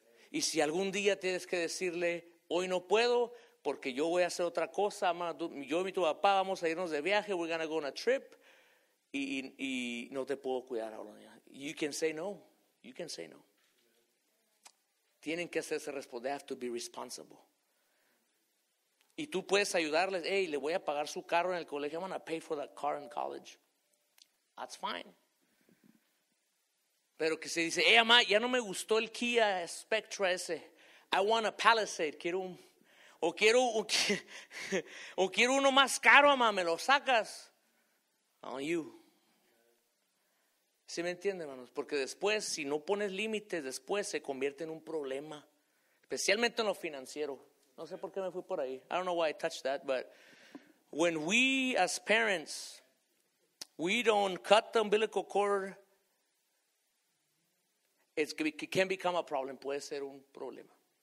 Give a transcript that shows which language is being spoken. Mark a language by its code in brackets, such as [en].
[es] Y si algún día tienes que decirle, hoy no puedo porque yo voy a hacer otra cosa, yo y tu papá vamos a irnos de viaje, [en] we're going to go on a trip, [es] y no te puedo cuidar ahora. [en] You can say no, you can say no. [es] Tienen que hacerse responsable, [en] they have to be responsible. [es] Y tú puedes ayudarles, hey, le voy a pagar su carro en el colegio, [en] I'm going to pay for that car in college. That's fine. [es] Pero que se dice, hey, mamá, ya no me gustó el Kia Spectra ese. [en] I want a Palisade. [es] Quiero uno más caro, mamá. ¿Me lo sacas? [en] On you. [es] ¿Sí me entiende, hermanos? Porque después, si no pones límites, después se convierte en un problema. Especialmente en lo financiero. No sé por qué me fui por ahí. [en] I don't know why I touched that. But when we as parents, we don't cut the umbilical cord, it can become a problem, [es] puede ser un problema.